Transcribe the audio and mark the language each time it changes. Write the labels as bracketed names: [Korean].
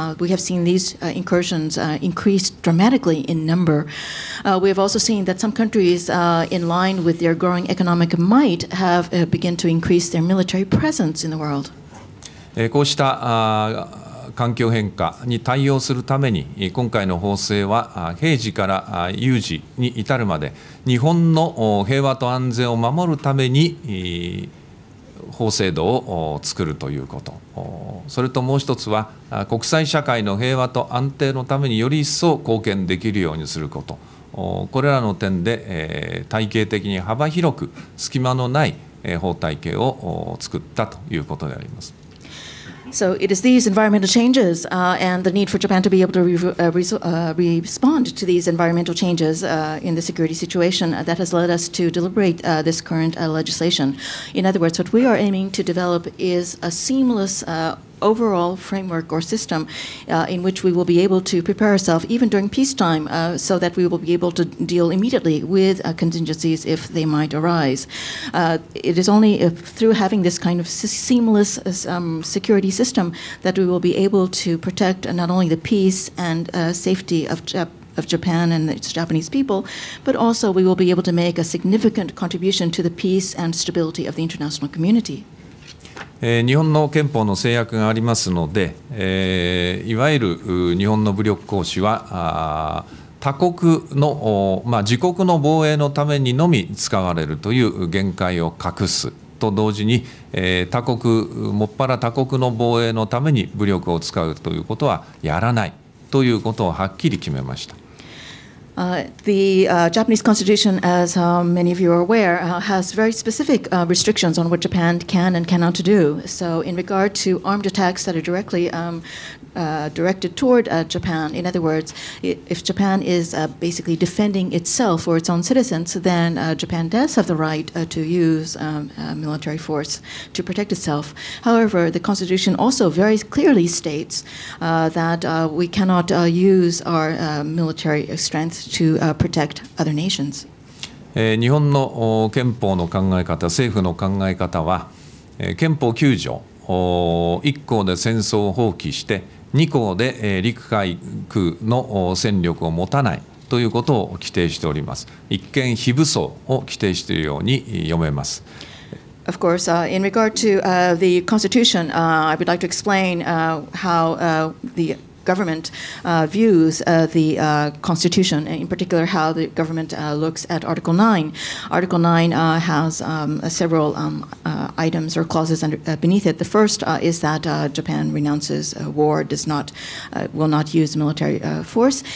[English] We have seen these incursions increase dramatically in number. We have also seen that some countries in line with their growing economic might have begun to increase their military presence. [Japanese] こうした環境変化に対応するために今回の法制は平時から有事に至るまで日本の平和と安全を守るために法制度を作るということ、それともう一つは国際社会の平和と安定のためにより一層貢献できるようにすること、これらの点で体系的に幅広く隙間のない法体系を作ったということであります。 [English] So it is these environmental changes and the need for Japan to be able to respond to these environmental changes in the security situation that has led us to deliberate this current legislation. In other words, what we are aiming to develop is a seamless overall framework or system in which we will be able to prepare ourselves even during peacetime so that we will be able to deal immediately with contingencies if they might arise. It is only through having this kind of seamless security system that we will be able to protect not only the peace and safety of Japan and its Japanese people, but also we will be able to make a significant contribution to the peace and stability of the international community. [Japanese] 日本の憲法の制約がありますので、いわゆる日本の武力行使は他国の、自国の防衛のためにのみ使われるという限界を隠すと同時に、他国もっぱら他国の防衛のために武力を使うということはやらないということをはっきり決めました。 [English] The Japanese Constitution, as many of you are aware, has very specific restrictions on what Japan can and cannot do. So in regard to armed attacks that are directly directed toward Japan, in other words, if Japan is basically defending itself or its own citizens, then Japan does have the right to use military force to protect itself. However, the Constitution also very clearly states that we cannot use our military strength to protect other nations. [Japanese] 日本の憲法の考え方、政府の考え方は、憲法9条、1項で戦争を放棄して、2項で陸海空の戦力を持たないということを規定しております。一見非武装を規定しているように読めます。 [English] Of course, in regard to the constitution, I would like to explain how the government views the constitution, in particular how the government looks at Article 9. Article 9 has several items or clauses under, beneath it. The first is that Japan renounces war, does not, will not use military force.